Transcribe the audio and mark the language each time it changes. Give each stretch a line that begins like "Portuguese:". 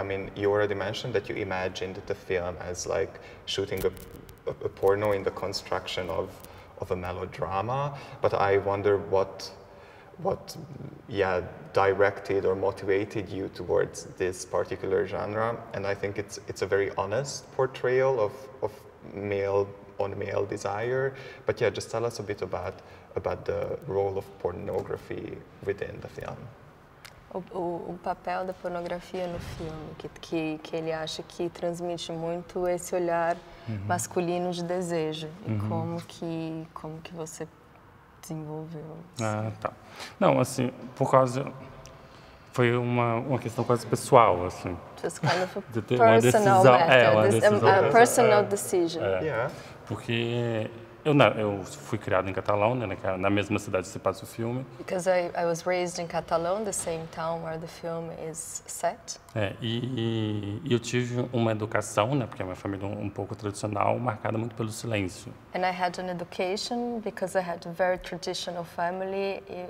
English: I mean, you already mentioned that you imagined the film as like shooting a porno in the construction of a melodrama, but I wonder what directed or motivated you towards this particular genre. And I think it's a very honest portrayal of male on male desire. But yeah, just tell us a bit about the role of pornography within the film.
Portuguese: O papel da pornografia no filme, que ele acha que transmite muito esse olhar masculino de desejo. E como que você desenvolveu isso? Não, assim, por causa... Foi uma questão quase pessoal, assim.
English: Just kind of a personal decision.
Portuguese: Porque... Eu fui criado em Catalão, né, na mesma cidade que se passa o filme.
English: Because I was raised in Catalão, the same town where the film is set.
Portuguese: E eu tive uma educação, né, porque a minha família um pouco tradicional, marcada muito pelo silêncio.
English: And I had an education because I had a very traditional family.